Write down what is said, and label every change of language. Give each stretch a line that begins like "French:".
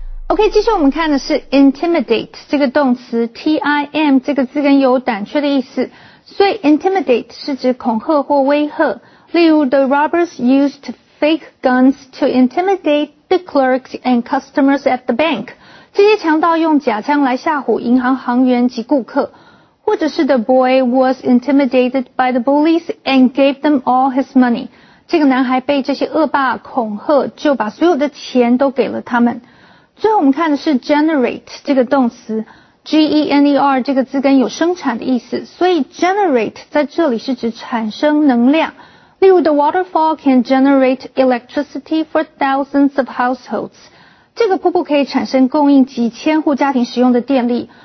Chinese: OK, 接下来我们看的是 intimidate 这个动词 T-I-M 这个字根有胆怯的意思，所以 intimidate 是指恐吓或威吓。例如
English: The robbers used fake guns to intimidate the clerks and customers at the bank.
Chinese: 这些强盗用假枪来吓唬银行行员及顾客。或者是
English: The boy was intimidated by the bullies and gave them all his money.
Chinese: 这个男孩被这些恶霸恐吓就把所有的钱都给了他们。最后我们看的是 generate 这个动词 G-E-N-E-R 这个字根有生产的意思，所以 generate 在这里是指产生能量。例如
English: The waterfall can generate electricity for thousands of households.
Chinese: 这个瀑布可以产生供应几千户家庭使用的电力。